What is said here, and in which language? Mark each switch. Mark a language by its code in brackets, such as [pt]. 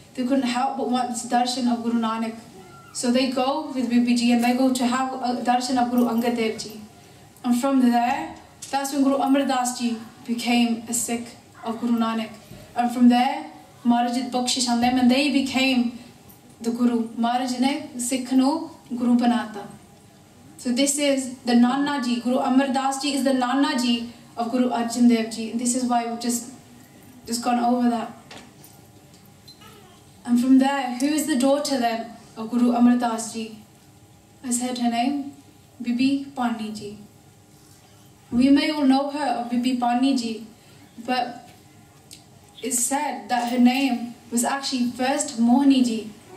[en] They couldn't help but want this darshan of Guru Nanak. So they go with Bibi Ji and they go to have a darshan of Guru Angad Dev Ji. And from there, that's when Guru Amar Das Ji became a Sikh of Guru Nanak. And from there, Maharaj did bakshish on them and they became the Guru. [pa] ਮਹਾਰਾਜ ਨੇ ਸਿੱਖਨੂੰ ਗੁਰੂ ਬਣਾਤਾ। [en] So this is the Nana Ji. Guru Amar Das Ji is the Nana Ji of Guru Arjan Dev Ji. And this is why we've just gone over that. And from there, who is the daughter then of Guru Amar Das Ji? I said her name, Bibi Bhani Ji. We may all know her of Bibi Bhani Ji, but it's said that her name was actually first Mohini Ji.